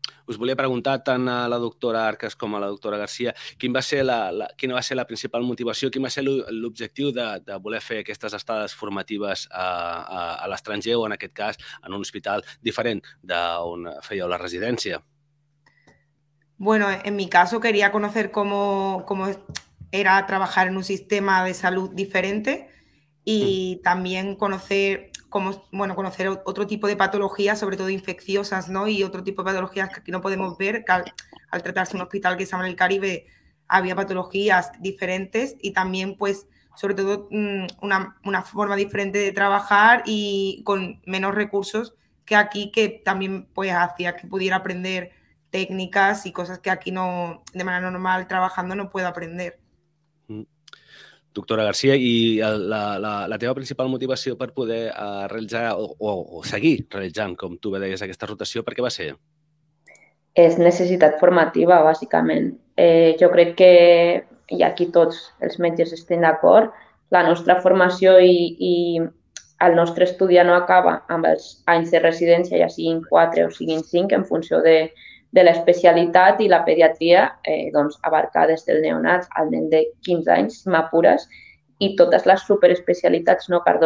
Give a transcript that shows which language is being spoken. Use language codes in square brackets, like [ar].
[ca] Us volia preguntar tant a la doctora Arcas com a la doctora García quina va ser la principal motivació, quin va ser l'objectiu de voler fer aquestes estades formatives a l'estranger o, en aquest cas, en un hospital diferent d'on fèieu la residència. [es] Bueno, en mi caso quería conocer cómo era trabajar en un sistema de salud diferente y también conocer otro tipo de patologías, sobre todo infecciosas, ¿no? Y otro tipo de patologías que aquí no podemos ver, que al tratarse un hospital que se llama en el Caribe había patologías diferentes y también, pues, sobre todo una forma diferente de trabajar y con menos recursos que aquí, que también, pues, hacía que pudiera aprender técnicas y cosas que aquí no, de manera normal, trabajando, no puedo aprender. [ca] Doctora García, ¿y la teva principal motivació per poder realitzar o seguir realitzant, com tu bé deies, aquesta rotació, per què va ser? És necessitat formativa, bàsicament. Jo crec que, i aquí tots els metges estem d'acord, la nostra formació i el nostre estudi no acaba amb els anys de residència, ja siguin 4 o siguin 5, en funció de l'especialitat, i la pediatria doncs, abarca des del neonat al nen de 15 anys, si m'apures, i totes les superespecialitats, no?